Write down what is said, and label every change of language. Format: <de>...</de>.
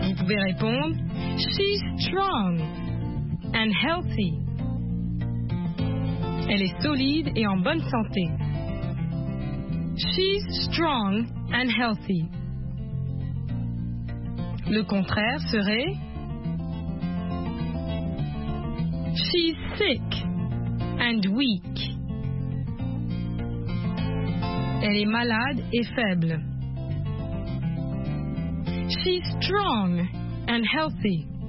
<fr>Répondre,</fr> <en>she's strong and healthy.</en> <fr>Elle est solide et en bonne santé.</fr> <en>She's strong and healthy.</en> <fr>Le contraire serait...</fr> <en>She's sick and weak.</en> <fr>Elle est malade et faible.</fr> <en>She's strong and healthy.</en>